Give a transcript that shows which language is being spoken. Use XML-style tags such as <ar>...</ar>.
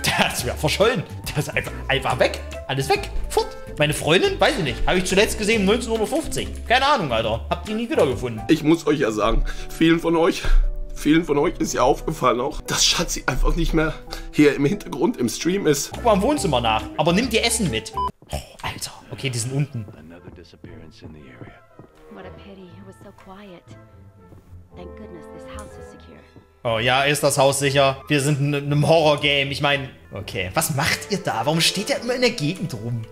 <de>Das wäre verschollen. Das ist einfach weg. Alles weg. Fort. Meine Freundin? Weiß ich nicht. Habe ich zuletzt gesehen 19:50 Uhr. Keine Ahnung, Alter. Hab die nie wiedergefunden. Ich muss euch ja sagen, vielen von euch ist ja aufgefallen auch, dass Schatzi einfach nicht mehr hier im Hintergrund im Stream ist. Guck mal im Wohnzimmer nach. Aber nimm dir Essen mit. Oh, Alter. Okay, die sind unten.</de> <en>Another disappearance in the area. What a pity. It was so quiet. Thank goodness this house is secure.</en> <de>Oh ja, ist das Haus sicher? Wir sind in einem Horror-Game. Ich meine, okay. Was macht ihr da? Warum steht ihr immer in der Gegend rum?</de>